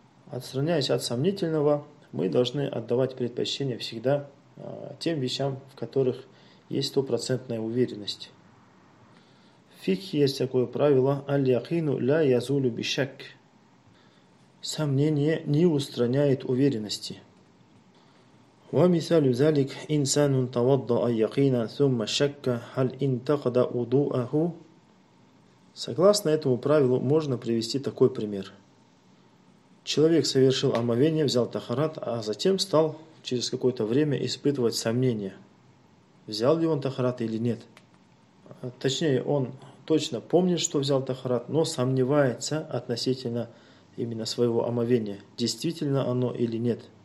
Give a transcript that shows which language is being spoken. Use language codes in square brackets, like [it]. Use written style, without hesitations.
[ru] Отстраняясь от сомнительного, мы должны отдавать предпочтение всегда тем вещам, в которых есть стопроцентная уверенность. В фикхе есть такое правило [ar] «Аль-Якину ля язулю бишак». [ru] Сомнение не устраняет уверенности. [ar] ومثال ذلك إنسان توضأ يقينا ثم شك هل انتقد وضوءه. [ru] Согласно этому правилу можно привести такой пример. Человек совершил омовение, взял тахарат, а затем стал через какое-то время испытывать сомнения. Взял ли он тахарат или нет? Точнее, он точно помнит, что взял тахарат, но сомневается относительно именно своего омовения, действительно оно или нет.